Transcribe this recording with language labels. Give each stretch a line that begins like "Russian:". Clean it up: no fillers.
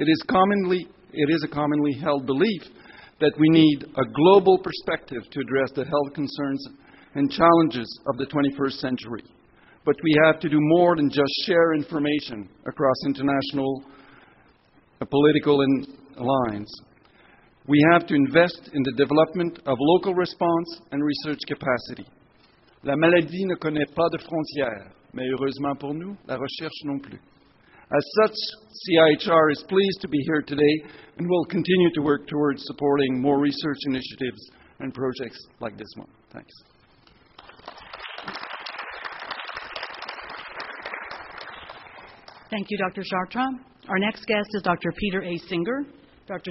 English: It is a commonly held belief that we need a global perspective to address the health concerns and challenges of the 21st century. But we have to do more than just share information across international political lines. We have to invest in the development of local response and research capacity.
French: La maladie ne connaît pas de frontières, mais heureusement pour nous, la recherche non plus.
English: As such, CIHR is pleased to be here today and will continue to work towards supporting more research initiatives and projects like this one. Thanks. Thank you, Dr. Chartrand. Our next guest is Dr. Peter A. Singer. Dr.